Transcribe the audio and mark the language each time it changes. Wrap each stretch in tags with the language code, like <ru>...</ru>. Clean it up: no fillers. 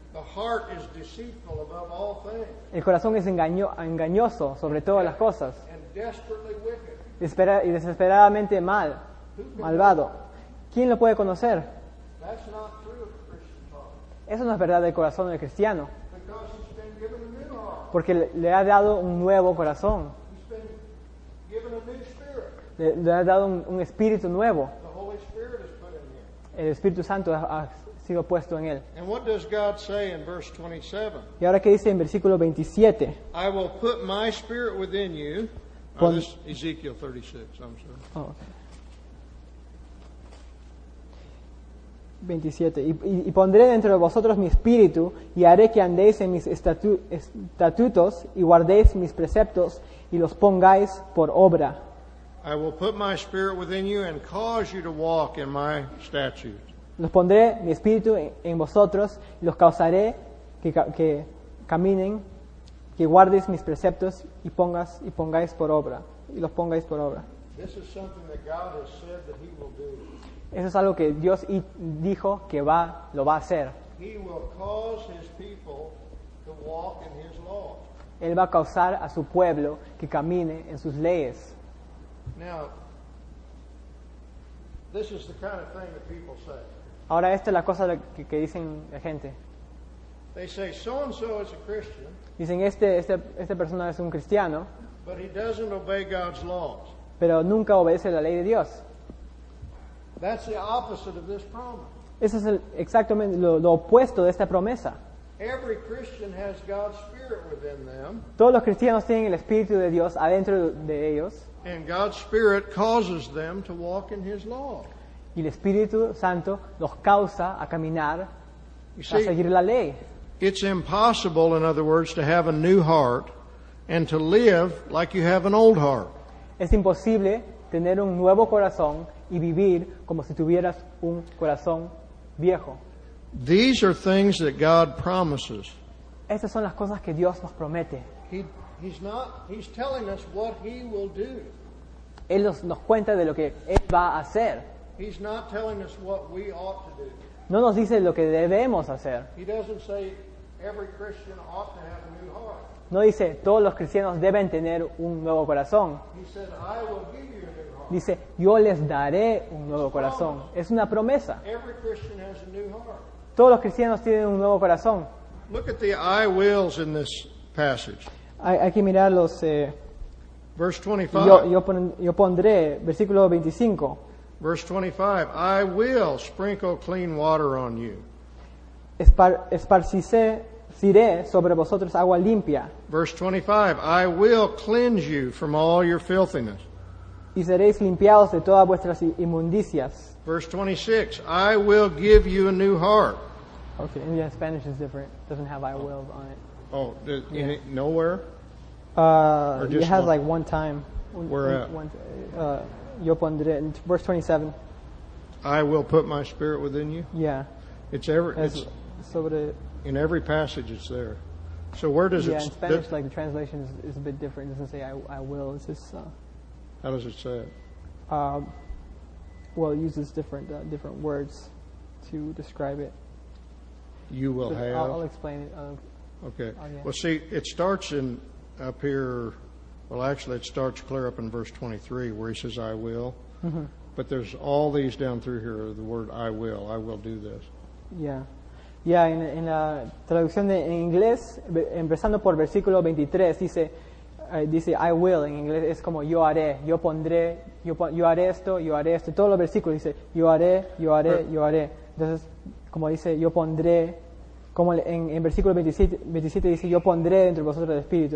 <en>the heart is deceitful above all things.</en> <es>El corazón es engañoso sobre todas las cosas.</es> <en>And desperately wicked.</en> <es>Y desesperadamente malvado. ¿Quién lo puede conocer?</es> <en>That's not true of the Christian heart.</en> <es>Eso no es verdad del corazón del cristiano.</es> <en>Because he's been given a new heart.</en> <es>Porque le ha dado un nuevo corazón.</es> <en>He's been given a new spirit.</en> <es>Le ha dado un espíritu nuevo.</es> <en>The Holy Spirit has put in him.</en> <es>El Espíritu Santo ha sido puesto en él.</es> <en>And what does God say in verse 27?</en> <es>¿Y ahora qué dice en versículo 27?</es> <en>I will put my spirit within you. Oh, this is Ezekiel 36, I'm sorry. Oh, okay. 27.</en> <es>Y pondré dentro de vosotros mi espíritu, y haré que andéis en mis estatutos, y guardéis mis preceptos, y los pongáis por obra.</es> <en>I will put my spirit within you and cause you to walk in my statutes.</en> <es>Los pondré mi espíritu en vosotros y los causaré que caminen, que guardes mis preceptos y pongáis por obra y los pongáis por obra.</es> <en>This is something that God has said that he will do.</en> <es>Eso es algo que Dios dijo que lo va a hacer.</es> <en>He will cause his people to walk in his law.</en> <es>Él va a causar a su pueblo que camine en sus leyes.</es> <en>Now, this is the kind of thing that people say.</en> <es>Ahora, esta es la cosa que dicen la gente.</es> <en>They say, so and so is a Christian.</en> <es>Dicen, esta persona es un cristiano.</es> <en>But he doesn't obey God's laws.</en> <es>Pero nunca obedece la ley de Dios.</es> <en>That's the opposite of this promise.</en> <es>Eso es exactamente lo opuesto de esta promesa.</es> <en>Every Christian has God's spirit within them.</en> <es>Todos los cristianos tienen el Espíritu de Dios adentro de ellos.</es> <en>And God's spirit causes them to walk in his law.</en> <es>Y el Espíritu Santo los causa a caminar, a seguir la ley.</es> <en>It's impossible, in other words, to have a new heart and to live like you have an old heart.</en> <es>Es imposible tener un nuevo corazón y vivir como si tuvieras un corazón viejo.</es> <en>These are things that God promises.</en> <es>Estas son las cosas que Dios nos promete.</es> <en>He's telling us what he will do.</en> <es>Él nos cuenta de lo que él va a hacer.</es> <en>He's not telling us what we ought to do.</en> <es>No nos dice lo que debemos hacer.</es> <en>He doesn't say every Christian ought to have a new heart.</en> <es>No dice todos los cristianos deben tener un nuevo corazón.</es> <en>He said, I will give you a new heart.</en> <es>Dice, yo les daré un nuevo corazón. Es una promesa.</es> <en>Every Christian has a new heart.</en> <es>Todos los cristianos tienen un nuevo corazón.</es> <en>Look at the I wills in this passage.</en> <es>Hay que mirar los</es> <en>verse 25.</en> <es>Yo pondré versículo 25.</es> <en>Verse 25, I will sprinkle clean water on you.</en> <es>Esparciré sobre vosotros agua limpia.</es> <en>Verse 25, I will cleanse you from all your filthiness.</en> <es>Y seréis limpiados de todas vuestras inmundicias.</es> <en>Verse 26, I will give you a new heart. Okay, and yeah, Spanish is different. It doesn't have I will on it. Oh, does, yeah. In it, nowhere? It has like one time. Where at?</en> <es>Yo pondré,</es> <en>in verse 27. I will put my spirit within you? Yeah. In every passage it's there. So where does in Spanish, like the translation is a bit different. It doesn't say I will. It's just, how does it say it? Well, it uses different words to describe it. You will have? I'll explain it. Okay. Well, see, it starts in up here. Well, actually, it starts clear up in verse 23 where he says, I will. Mm-hmm. But there's all these down through here, the word I will do this. Yeah.</en> <es>Yeah, en la traducción en inglés, empezando por versículo 23, dice,</es> <en>I will,</en> <es>en inglés es como yo haré, yo pondré, yo haré esto, yo haré esto. Todo el versículo dice, yo haré, yo haré, yo haré. Entonces, como dice, yo pondré, como en versículo 27 dice, yo pondré dentro de vosotros el Espíritu.</es>